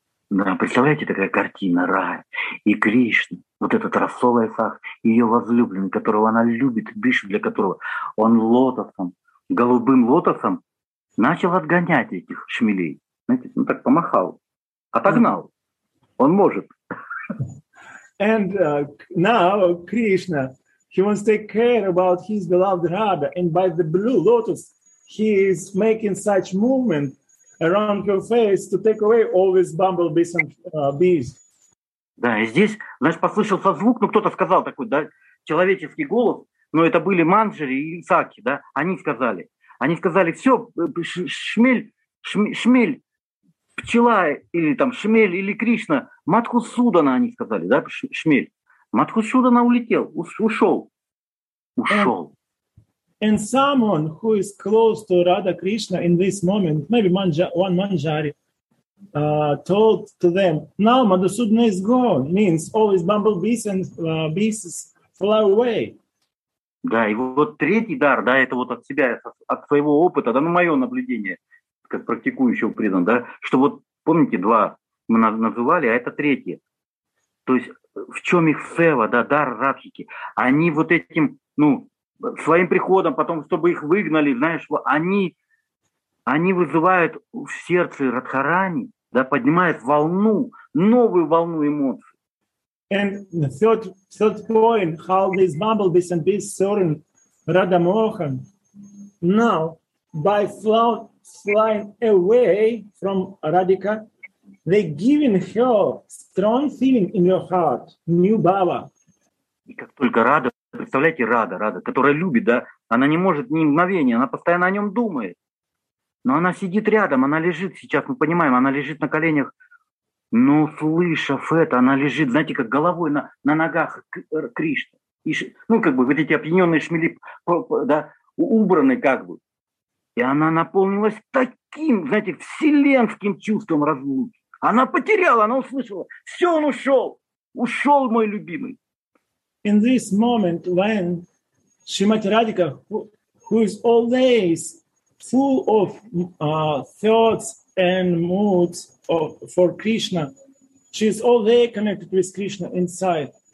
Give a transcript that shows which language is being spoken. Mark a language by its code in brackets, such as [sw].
[ru] Да, представляете, такая картина, рай и Кришна, вот этот рассовый сах, ее возлюбленный, которого она любит, дышит для которого, он лотосом, голубым лотосом начал отгонять этих шмелей. Знаете, он так помахал, отогнал. Он может. [en] And now Krishna, he wants to take care about his beloved Radha, and by the blue lotus, he is making such movement around her face to take away all these bumblebees and bees. [ru] Да, и здесь, знаешь, послышался звук, ну кто-то сказал такой, да, человеческий голос, но это были манджари и саки, да, они сказали, все, шмель. Пчела или там шмель или Кришна, Мадхусудана, они сказали, да, шмель. Мадхусудана улетел, ушел. [en] And someone who is close to Radha Krishna in this moment, maybe one Manjari, told to them, now Madhusudana is gone, means all his bumblebees and bees fly away. [ru] Да, и вот третий дар, да, это вот от себя, от своего опыта, да, ну, мое наблюдение. Как практикующего преданного, да, что вот, помните, два мы называли, а это третье. То есть в чем их сева, да, дар Радхики? Они вот этим, ну, своим приходом, потом, чтобы их выгнали, знаешь, они вызывают в сердце Радхарани, да, поднимают волну, новую волну эмоций. [en] And the third point, how these bumblebees and bees soaring Radha Mohan now by flying away from Radhika, they giving her strong feeling in your heart, new bhava. [ru] И как только Рада, представляете, Рада, которая любит, да, она не может ни мгновения, она постоянно о нем думает. Но она сидит рядом, она лежит, сейчас мы понимаем, она лежит на коленях, но слышав это, она лежит, знаете, как головой на ногах Кришны. Ну, как бы вот эти опьяненные шмели, да, убраны как бы. И она наполнилась таким, знаете, вселенским чувством разлуки. Она потеряла, она услышала. Все, он ушел. Ушел мой любимый. [en] In this moment, when Shrimati Radhika, who is always full of thoughts and moods for Krishna, she is always connected with Krishna inside.